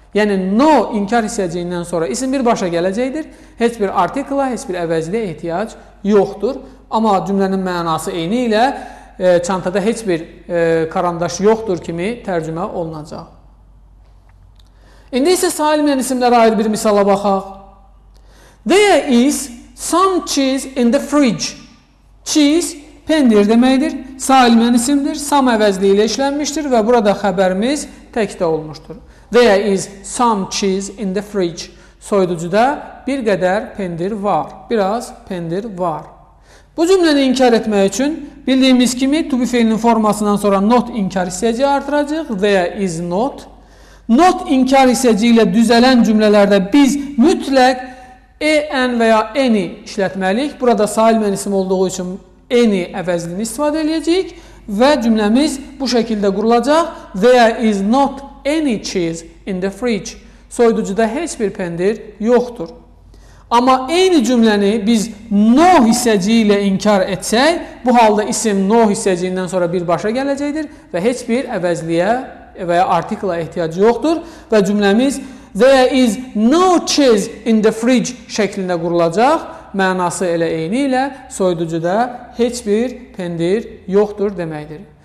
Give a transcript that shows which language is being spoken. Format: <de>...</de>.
<az>Yəni no inkar hissəciyindən sonra isim birbaşa gələcəkdir. Heç bir artikla, heç bir əvəzliyə ehtiyac yoxdur. Amma cümlənin mənası eyni ilə çantada heç bir karandaş yoxdur kimi tərcümə olunacaq. İndi isə sayılmayan isimlərə ayrı bir misala baxaq.</az> <en>There is some cheese in the fridge.</en> <az>Cheese, pendir deməkdir. Sayılmayan isimdir. Some əvəzliyi ilə işlənmişdir və burada xəbərimiz təkdə olmuşdur.</az> <en>There is some cheese in the fridge.</en> <az>Soyuducuda bir qədər pendir var. Biraz pendir var. Bu cümləni inkar etmək üçün bildiyimiz kimi to be fiilinin formasından sonra not inkar hissəciyi artıracaq.</az> <en>There is not.</en> <az>Not inkar hissəciyi ilə düzələn cümlələrdə biz mütləq an və ya any işlətməliyik. Burada sayılmayan isim olduğu üçün any əvəzliyini istifadə edəcəyik və cümləmiz bu şəkildə qurulacaq.</az> <en>There is not any cheese in the fridge.</en> <az>Soyuducuda heç bir pendir yoxdur. Amma eyni cümləni biz no hissəciyi ilə inkar etsək, bu halda isim no hissəciyindən sonra birbaşa gələcəkdir və heç bir əvəzliyə və ya artikla ehtiyacı yoxdur və cümləmiz</az> <en>there is no cheese in the fridge</en> <az>şəklində qurulacaq, mənası elə eyni ilə soyuducuda heç bir pendir yoxdur deməkdir.</az>